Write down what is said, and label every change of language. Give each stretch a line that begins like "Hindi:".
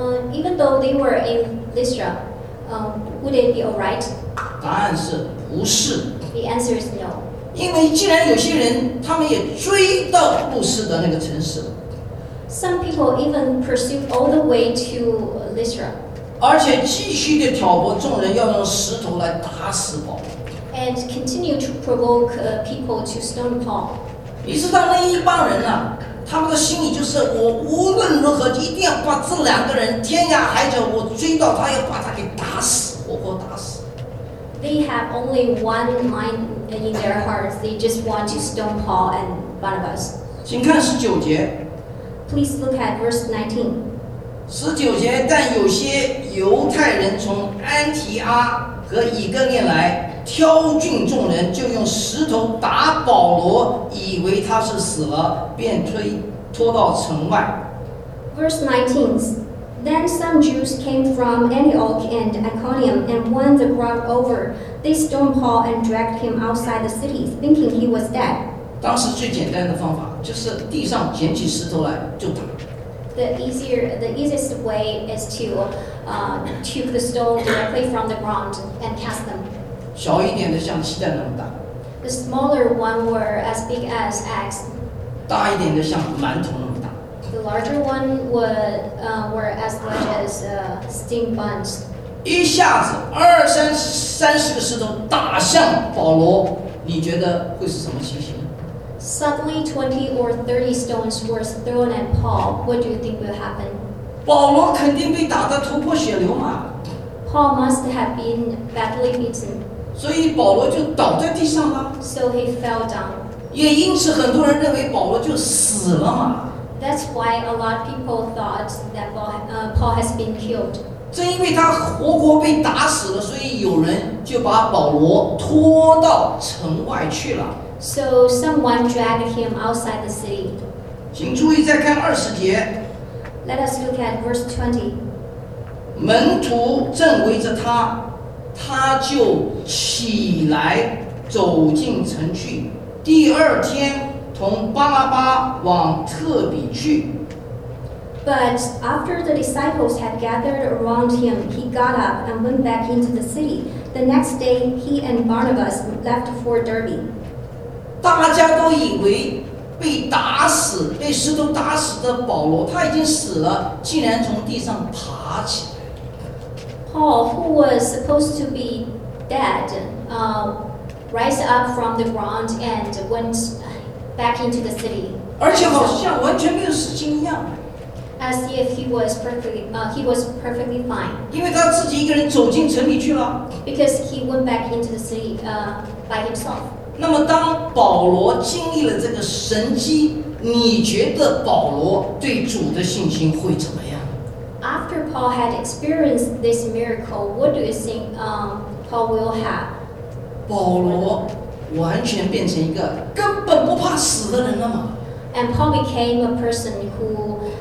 English: Even though they were in Lystra, would it be alright?
Chinese: 答案是不是。
English: The answer is no.
Chinese: 因为既然有些人他们也追到路斯德那个城市。
English: Some people even pursued all the way to Lystra.
Chinese: 而且继续地挑拨众人，要用石头来打死保罗。
English: And continue to provoke people to stone Paul.
Chinese: 于是他们一帮人呢，他们的心里就是：我无论如何一定要把这两个人天涯海角，我追到他，要把他给打死，活活打死。
English: They have only one mind in their hearts. They just want to stone Paul and Barnabas.
Chinese: 请看十九节。
English: Please look at verse 19.
Chinese: 十九节，但有些犹太人从安提阿和以哥念来，挑衅众人，就用石头打保罗，以为他是死了，便拖到城外。
English: Verse 19. Then some Jews came from Antioch and Iconium, and won the crowd over. They stoned Paul and dragged him outside the city, thinking he was dead.
Chinese: 当时最简单的方法就是地上捡起石头来就打。
English: The easiest way is to take the stone directly from the ground and cast them.
Chinese: 小一点的像鸡蛋那么大。
English: The smaller one were as big as eggs.
Chinese: 大一点的像馒头那么大。
English: The larger one were as large as steam buns.
Chinese: 一下子二三三十个石头打向保罗，你觉得会是什么情形？
English: Suddenly 20 or 30 stones were thrown at Paul. What do you think will happen?
Chinese: 保罗肯定被打得头破血流嘛。
English: Paul must have been badly beaten.
Chinese: 所以保罗就倒在地上了。
English: So he fell down.
Chinese: 也因此很多人认为保罗就死了嘛。
English: That's why a lot of people thought that Paul has been killed.
Chinese: 正因为他活活被打死了，所以有人就把保罗拖到城外去了。
English: So someone dragged him outside the city.
Chinese: 请注意再看二十节。
English: Let us look at verse 20.
Chinese: 门徒正围着他，他就起来走进城去。第二天，同巴拉巴往特比去。
English: But after the disciples had gathered around him, he got up and went back into the city. The next day, he and Barnabas left for Derbe.
Chinese: 大家都以为被打死，被石头打死的保罗，他已经死了，竟然从地上爬起来。
English: Paul, who was supposed to be dead, rise up from the ground and went back into the city.
Chinese: 而且好像完全没有死心一样。
English: As if he was perfectly fine.
Chinese: 因为他自己一个人走进城里去了。
English: Because he went back into the city by himself.
Chinese: 那么当保罗经历了这个神迹，你觉得保罗对主的信心会怎么样？
English: After Paul had experienced this miracle, what do you think Paul will have?
Chinese: 保罗完全变成一个根本不怕死的人了吗？
English: And Paul became a person who